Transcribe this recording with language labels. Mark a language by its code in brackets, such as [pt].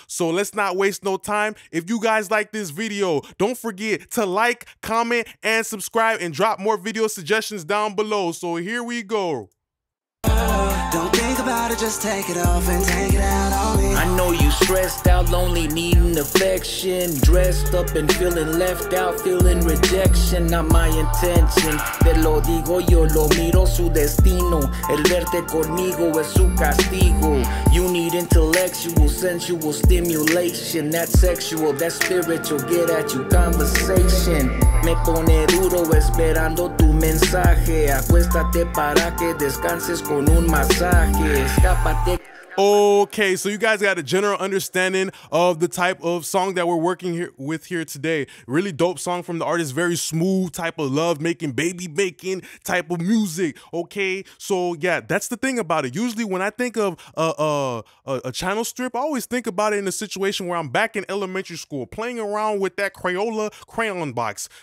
[en] So let's not waste no time. If you guys like this video, don't forget to like, comment, and subscribe, and drop more video suggestions down below. So here we go. Don't think about it, just take it off and take it out on me. I know you stressed out, lonely, needing affection. Dressed up and feeling left out, feeling rejection. Not my intention, [es] te lo digo, yo lo miro su destino. El verte conmigo es su castigo. [en] You need intellectual, sensual stimulation. That sexual, that spiritual, get at you conversation. [es] Me pone duro esperando tu mensaje. Acuéstate para que descanses con un masaje. Escápate. [en] Okay, so you guys got a general understanding of the type of song that we're working here with here today. Really dope song from the artist. Very smooth type of love making, baby making type of music. Okay, so yeah, that's the thing about it. Usually when I think of a channel strip, I always think about it in a situation where I'm back in elementary school playing around with that Crayola crayon box.